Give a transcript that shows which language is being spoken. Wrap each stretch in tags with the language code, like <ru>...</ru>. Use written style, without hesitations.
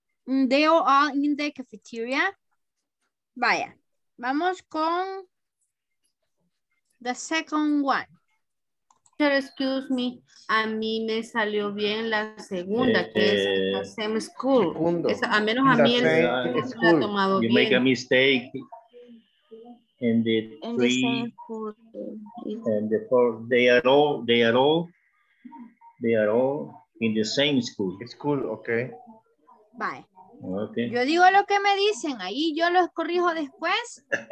<en>They are all in the cafeteria.</en> <es>Vaya, vamos con</es> <en>the second one. Sir, excuse me,</en> <es>a mí me salió bien la segunda, que es la</es> <en>same school.</en> <es>A menos a mí el segundo la ha tomado</es> <en>you</en> <es>bien.</es> <en>You make a mistake. And the three and the four, they are all in the same school. Okay. Bye. Okay.</en> <es>Yo digo lo que me dicen, ahí yo los corrijo después.</es>